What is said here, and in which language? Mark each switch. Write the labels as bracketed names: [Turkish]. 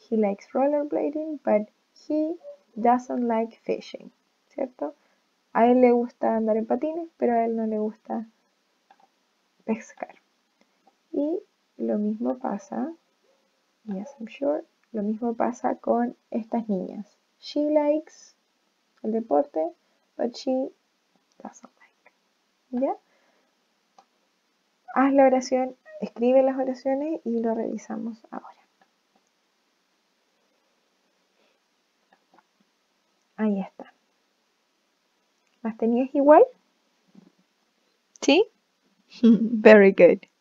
[English] He likes rollerblading, but he doesn't like fishing. [Spanish] ¿Cierto? A él le gusta andar en patines, pero a él no le gusta pescar. Y lo mismo pasa, [English] yes, I'm sure, [Spanish] lo mismo pasa con estas niñas. [English] She likes [Spanish] el deporte, [English] but she doesn't like. ¿Ya? [Spanish] Haz la oración, escribe las oraciones y lo revisamos ahora. Ahí está. ¿Las tenías igual? ¿Sí? [English] Very good.